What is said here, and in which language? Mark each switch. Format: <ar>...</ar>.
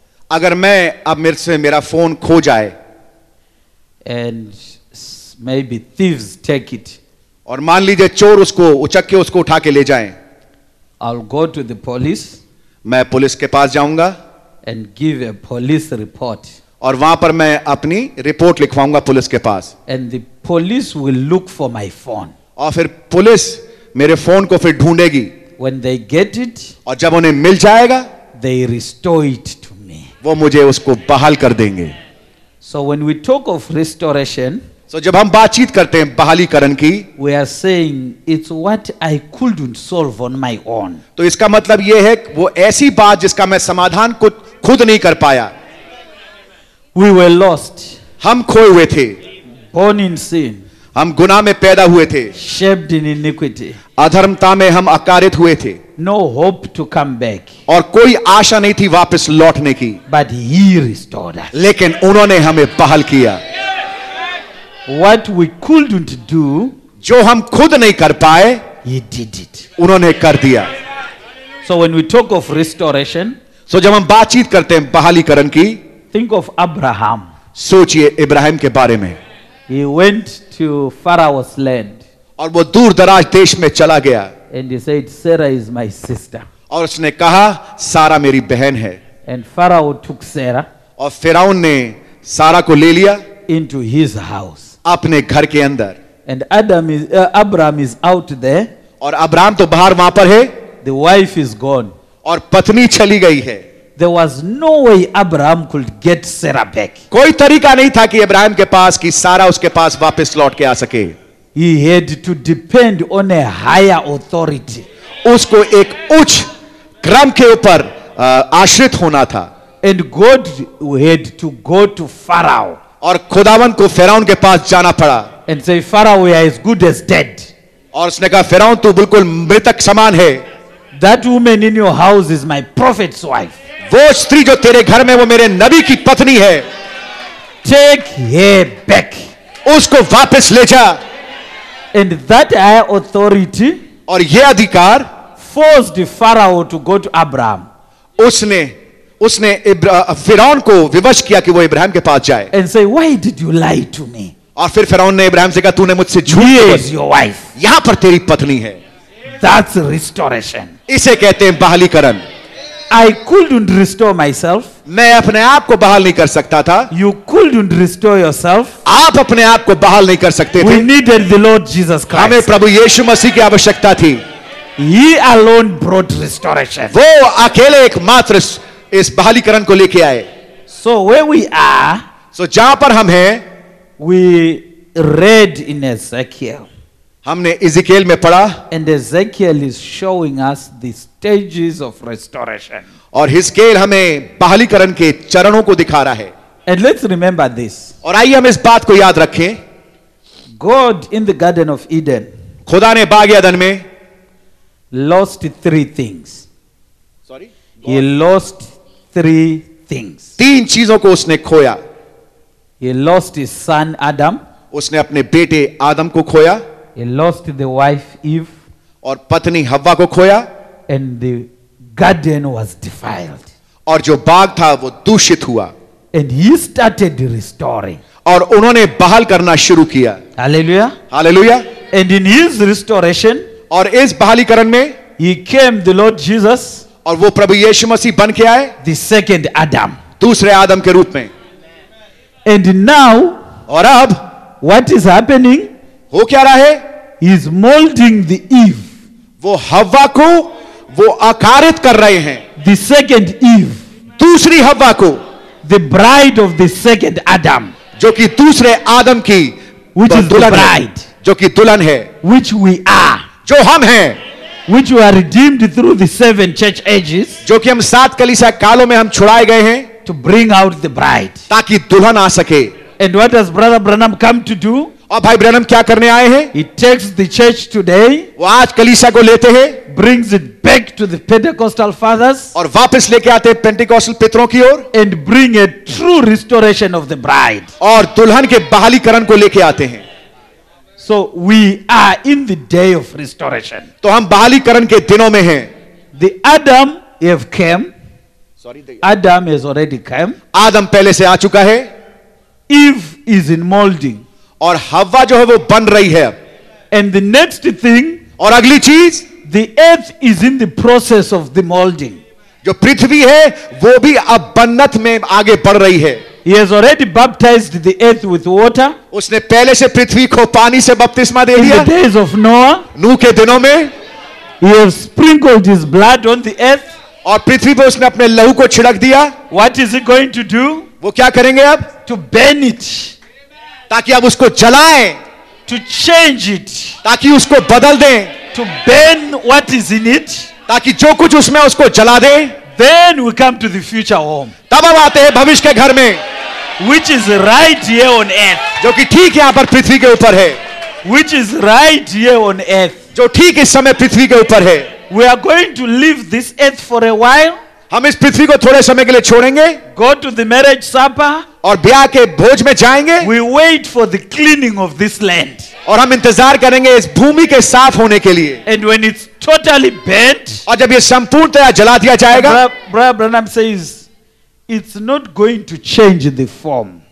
<hi>अगर मैं अब मेरे से मेरा फोन खो जाए,</hi> <en>and maybe thieves take it,</en> <hi>और मान लीजिए चोर उसको उचक के उसको उठा के ले जाए,</hi> <en>I'll go to the police.</en> <hi>मैं पुलिस के पास जाऊंगा.</hi> <en>And give a police report.</en> <hi>और वहां पर मैं अपनी रिपोर्ट लिखवाऊंगा पुलिस के पास.</hi> <en>And the police will look for my phone.</en> <hi>और फिर पुलिस मेरे फोन को फिर ढूंढेगी.</hi> <en>when they get it,</en> <hi>और जब उन्हें मिल जाएगा,</hi> <en>They restore it to me.</en> <hi>वो मुझे उसको बहाल कर देंगे.</hi> <en>so when we talk of restoration,</en> <hi>सो जब हम बातचीत करते हैं बहालीकरण की,</hi> <en>we are saying it's what I couldn't solve on my own.</en> <hi>तो इसका मतलब यह है वो ऐसी बात जिसका मैं समाधान खुद नहीं कर पाया.</hi> <en>We were lost.</en> <hi>हम खोए हुए थे.</hi> <en>Born in sin.</en> <hi>हम गुनाह में पैदा हुए थे.</hi> <en>Shaped in iniquity.</en> <hi>अधर्मता में हम आकारित हुए थे.</hi> <en>No hope to come back.</en> <hi>और कोई आशा नहीं थी वापस लौटने की.</hi> <en>But he restored us.</en> <hi>लेकिन उन्होंने हमें बहाल किया.</hi> <en>What we couldn't do,</en> <hi>जो हम खुद नहीं कर पाए,</hi> <en>he did it.</en> <hi>उन्होंने कर दिया.</hi> <en>So when we talk of restoration,</en> <hi>so जब हम बातचीत करते हैं बहालीकरण की,</hi> <en>think of Abraham.</en> <hi>सोचिए इब्राहिम के बारे में.</hi> <en>He went to Pharaoh's land.</en> <hi>और वो दूर दराज देश में चला गया.</hi> <en>And he said, Sarah is my sister.</en> <hi>और उसने कहा सारा मेरी बहन है.</hi> <en>And Pharaoh took Sarah.</en> <hi>और फिराउन ने सारा को ले लिया.</hi> <en>Into his house.</en> <hi>अपने घर के अंदर.</hi> <en>And Adam is, Abraham is out there.</en> <hi>और अब्राहम तो बाहर वहां पर है.</hi> <en>The wife is gone.</en> <hi>और पत्नी चली गई है.</hi> <en>There was no way Abraham could get Sarah back.</en> <hi>कोई तरीका नहीं था कि अब्राहम के पास कि सारा उसके पास वापस लौट के आ सके.</hi> <en>He had to depend on a higher authority.</en> <hi>उसको एक उच्च क्रम के ऊपर आश्रित होना था.</hi> <en>And God had to go to Pharaoh.</en> <hi>और खुदावन को फिराउन के पास जाना पड़ा.</hi> <en>And say, Pharaoh, we are as good as dead.</en> <hi>और उसने कहा फिराउन तू बिल्कुल मृतक समान है.</hi> <en>That woman in your house is my prophet's wife.</en> <hi>वो स्त्री जो तेरे घर में वो मेरे नबी की पत्नी है.</hi> <en>Take her back.</en> <hi>उसको वापस ले जा.</hi> <en>And that high authority,</en> <hi>और ये अधिकार,</hi> <en>forced Pharaoh to go to Abraham.</en> <hi>उसने उसने फिराउन को विवश किया कि वो इब्राहिम के पास जाए.</hi> <en>And say, why did you lie to me?</en> <hi>और फिर फिराउन ने इब्राहिम से कहा तूने मुझसे झूठ बोला.</hi> <en>Here is your wife.</en> <hi>यहां पर तेरी पत्नी है.</hi> <en>That's restoration.</en> <hi>इसे कहते हैं बहालीकरण.</hi> <en>I couldn't restore myself.</en> <hi>मैं अपने आप को बहाल नहीं कर सकता था.</hi> <en>You couldn't restore yourself.</en> <hi>आप अपने आप को बहाल नहीं कर सकते थे.</hi> <en>We needed the Lord Jesus Christ.</en> <hi>हमें प्रभु यीशु मसीह की आवश्यकता थी.</hi> <en>He alone brought restoration.</en> <hi>वो अकेले एकमात्र इस बहालीकरण को लेके आए.</hi> <en>So where we are,</en> <hi>so जहां पर हम हैं,</hi> <en>we read in Ezekiel.</en> <hi>हमने इज़ेकेल में पढ़ा.</hi> <en>And Ezekiel is showing us the stages of restoration.</en> <hi>और हिज़ेकेल हमें बहालीकरण के चरणों को दिखा रहा है.</hi> <en>And let's remember this.</en> <hi>और आइए हम इस बात को याद रखें.</hi> <en>God in the Garden of Eden,</en> <hi>खुदा ने बाग़ यदन में</hi> <en>lost three things. Sorry? He lost three things.</en> <hi>तीन चीजों को उसने खोया.</hi> <en>He lost his son Adam.</en> <hi>उसने अपने बेटे आदम को खोया.</hi> <en>He lost the wife Eve.</en> <hi>और पत्नी हव्वा को खोया.</hi> <en>And the garden was defiled.</en> <hi>और जो बाग था वो दूषित हुआ.</hi> <en>And he started restoring.</en> <hi>और उन्होंने बहाल करना शुरू किया.</hi> <en>Hallelujah. Hallelujah. And in his restoration,</en> <hi>और इस बहालीकरण में,</hi> <en>he came the Lord Jesus.</en> <hi>और वो प्रभु यीशु मसीह बन के आए.</hi> <en>The second Adam.</en> <hi>दूसरे आदम के रूप में.</hi> <en>And now,</en> <hi>और अब,</hi> <en>what is happening?</en> <hi>हो क्या रहा है?</hi> <en>He is molding the Eve.</en> <hi>वो हव्वा को वो आकारित कर रहे हैं.</hi> <en>The second Eve.</en> <hi>दू dusri Hawa ko,</hi> <en>the bride of the second Adam,</en> <hi>jo ki dusre Adam ki,</hi> <en>which is the bride,</en> <hi>jo ki dulhan hai,</hi> <en>which we are,</en> <hi>jo hum hai,</hi> <en>which we are redeemed through the seven church ages,</en> <hi>jo ki hum saat kalisa kalon mein hum chhudaye gaye hain,</hi> <en>to bring out the bride,</en> <hi>taki dulhan aa sake.</hi> <en>And what does Brother Branham come to do?</en> <hi>और भाई Branham क्या करने आए हैं?</hi> <en>He takes the church today.</en> <hi>वो आज कलीसिया को लेते हैं.</hi> <en>Brings it back to the Pentecostal fathers.</en> <hi>और वापस लेके आते हैं पेंटिकोस्टल पितरों की ओर.</hi> <en>And bring a true restoration of the bride.</en> <hi>और दुल्हन के बहालीकरण को लेके आते हैं.</hi> <en>So we are in the day of restoration.</en> <hi>तो हम बहालीकरण के दिनों में हैं.</hi> <en>The Adam have came. Sorry, Adam has already come.</en> <hi>आदम पहले से आ चुका है.</hi> <en>Eve is in molding.</en> <hi>और हवा जो है वो बन रही है.</hi> <en>And the next thing,</en> <hi>और अगली चीज,</hi> <en>the earth is in the process of the molding.</en> <hi>जो पृथ्वी है वो भी अब बन्नत में आगे बढ़ रही है.</hi> <en>He has already baptized the earth with water.</en> <hi>उसने पहले से पृथ्वी को पानी से बपतिस्मा दे दिया.</hi> <en>In the days of Noah,</en> <hi>नूह के दिनों में,</hi> <en>he has sprinkled his blood on the earth.</en> <hi>और पृथ्वी पर उसने अपने लहू को छिड़क दिया.</hi> <en>What is he going to do?</en> <hi>वो क्या करेंगे अब?</hi> <en>To burn it.</en> <hi>ताकि आप उसको जलाएं.</hi> <en>To change it.</en> <hi>ताकि उसको बदल दें.</hi> <en>To burn what is in it.</en> <hi>ताकि जो कुछ उसमें उसको जला दें.</hi> <en>Then we come to the future home.</en> <hi>तब हम आते हैं भविष्य के घर में.</hi> <en>Which is right here on earth.</en> <hi>जो कि ठीक यहां पर पृथ्वी के ऊपर है.</hi> <en>Which is right here on earth.</en> <hi>जो ठीक इस समय पृथ्वी के ऊपर है.</hi> <en>We are going to leave this earth for a while.</en> <hi>हम इस पृथ्वी को थोड़े समय के लिए छोड़ेंगे.</hi> <en>Go to the marriage supper.</en> <hi>और ब्याह के भोज में जाएंगे.</hi> <en>We wait for the cleaning of this land.</en> <hi>और हम इंतजार करेंगे इस भूमि के साफ होने के लिए.</hi> <en>And when it's totally burnt,</en> <hi>और जब ये संपूर्णतः जला दिया जाएगा.</hi> <en>Brother Branham says, it's not going to change the form.</en>